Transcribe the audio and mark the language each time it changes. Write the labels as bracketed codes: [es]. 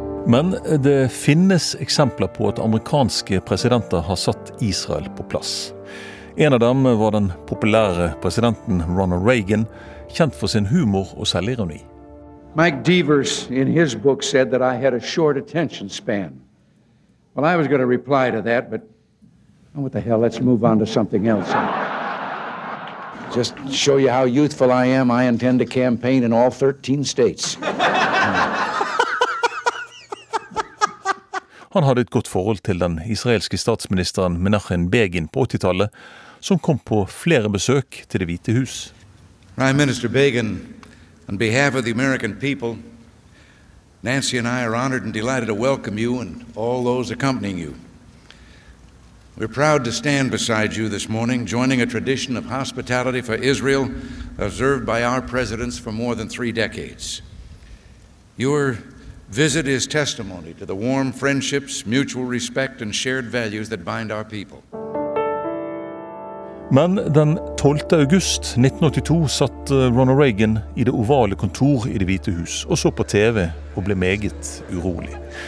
[no] Men det finnes eksempler på at amerikanske presidenter har satt Israel på plass. En av dem var den populære presidenten Ronald Reagan, kjent for sin humor og selvironi. [en] Mike Devers in his book said that I had a short attention span. Well, I was going to reply to that, but what the hell, let's move on to something else. Just show you how youthful I am, I intend to campaign in all 13 states. [no] Han hadde et godt forhold til den israelske statsministeren Menachem Begin på 80-tallet, som kom på flere besøk til Det Hvite Hus. [en] Prime Minister Begin, on behalf of the American people, Nancy and I are honored and delighted to welcome you and all those accompanying you. We're proud to stand beside you this morning, joining a tradition of hospitality for Israel observed by our presidents for more than three decades. Your visit is testimony to the warm friendships, mutual respect and shared values that bind our people. [no] Men den 12. august 1982 satt Ronald Reagan i det ovale kontor i det hvite hus og så på TV og ble meget urolig.